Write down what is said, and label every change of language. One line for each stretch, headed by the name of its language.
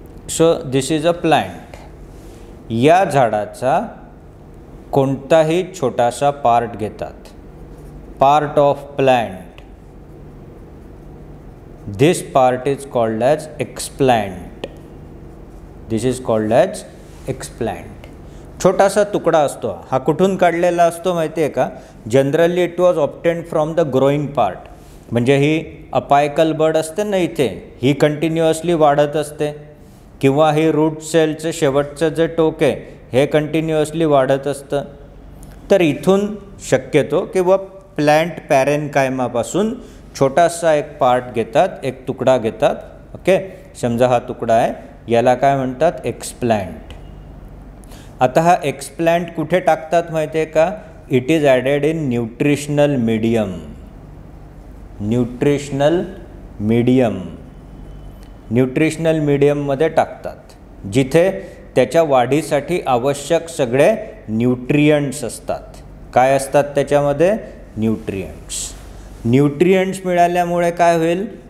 English: So this is a plant.
Marathi: या झाडाचा कोणताही छोटासा पार्ट घेतात,
English: Part of plant. This part is called as explant. This is called as explant.
Marathi: छोटासा तुकडा असतो हा कुठून काढलेला असतो माहिती आहे का?
English: Generally it was obtained from the growing part.
Marathi: म्हणजे ही अपायकल बड असते ना, इथे ही कंटिन्युअसली वाढत असते, किंवा ही रूट सेलचं शेवटचं जे टोक आहे हे कंटिन्युअसली वाढत असतं. तर इथून शक्यतो किंवा प्लांट पॅरेनकायमापासून छोटासा एक पार्ट घेतात, एक तुकडा घेतात. ओके, समजा हा तुकडा आहे, याला काय म्हणतात? एक्सप्लांट. आता हा एक्सप्लांट कुठे टाकतात माहिती आहे का?
English: It is added in nutritional medium.
Marathi: Nutritional medium, nutritional मीडियममध्ये टाकतात, जिथे त्याच्या वाढीसाठी आवश्यक सगळे न्यूट्रियंट्स असतात. काय असतात त्याच्यामध्ये? न्यूट्रियंट्स. न्यूट्रियंट्स मिळाल्यामुळे काय होईल?